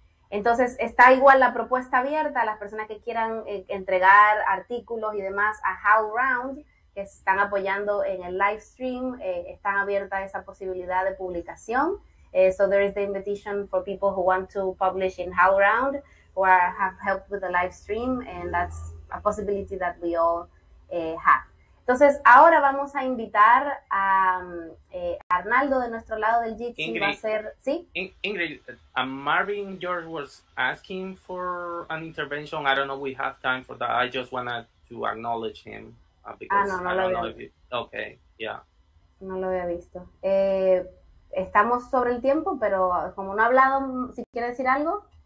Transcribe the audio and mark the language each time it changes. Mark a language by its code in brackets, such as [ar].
[es] Entonces está igual la propuesta abierta a las personas que quieran entregar artículos y demás a HowlRound, que están apoyando en el live stream. Están abierta esa posibilidad de publicación. [en] So there is the invitation for people who want to publish in HowlRound or have helped with the live stream, and that's a possibility that we all have. [es] Entonces, ahora vamos a invitar a Arnaldo de nuestro lado del Jitsi. Ingrid, va a ser, ¿sí? [en] Ingrid, Marvin George was asking for an intervention. I don't know if we have time for that. I just wanted to acknowledge him because okay, yeah. [es] No lo había visto. Estamos sobre el tiempo, pero como no ha hablado, si quiere decir algo.